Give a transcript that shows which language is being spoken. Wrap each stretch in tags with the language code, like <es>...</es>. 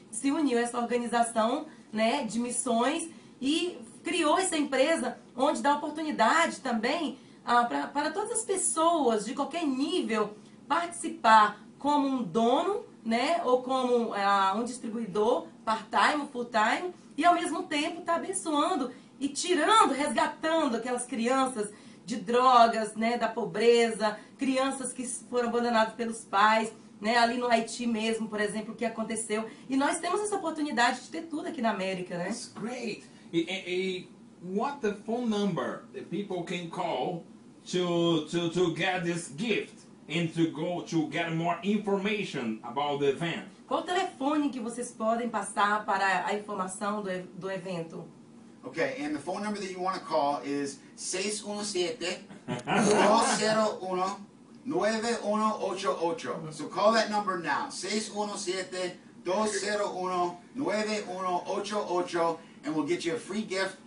<pt>Se uniu a essa organização, né, de missões e criou essa empresa onde dá oportunidade também para todas as pessoas de qualquer nível participar como um dono, né, ou como um distribuidor part-time, full-time, e ao mesmo tempo tá abençoando e tirando, resgatando aquelas crianças de drogas, né, da pobreza, crianças que foram abandonadas pelos pais, né, ali no Haiti mesmo, por exemplo, o que aconteceu. E nós temos essa oportunidade de ter tudo aqui na América, né?</pt> <en>That's great. E what the phone number that people can call to get this gift and to go to get more information about the event?</en> <pt>Qual telefone que vocês podem passar para a informação do evento?</pt> <en>Okay, and the phone number that you want to call is 617-201-9188. So call that number now, 617-201-9188, and we'll get you a free gift.</en>